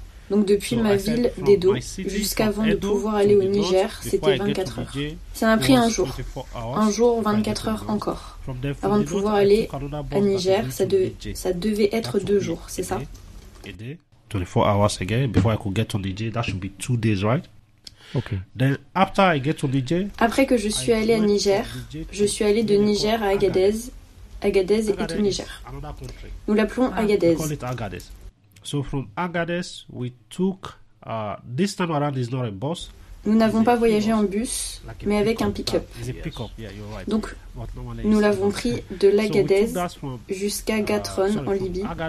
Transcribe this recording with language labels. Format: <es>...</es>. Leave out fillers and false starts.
<fr>Donc depuis ma ville d'Edo jusqu'avant de pouvoir aller au Niger, c'était 24 heures. Ça m'a pris un jour 24 heures encore. Avant de pouvoir aller à Niger, ça devait être 2 jours, c'est ça?</fr> <en>24 hours again before I could get on DJ. That should be 2 days, right? Okay. Then after I get on DJ.</en> <fr>Après que je suis allé à Niger, je suis allé de Niger à Agadez. Agadez est au Niger. Nous l'appelons Agadez.</fr> <en>We call it Agadez. So from Agadez, we took. This time around is not a bus.</en> <fr>Nous n'avons pas voyagé en bus, mais avec un pick-up. Donc, nous l'avons pris de l'Agadez jusqu'à Gatron, en Libye.</fr>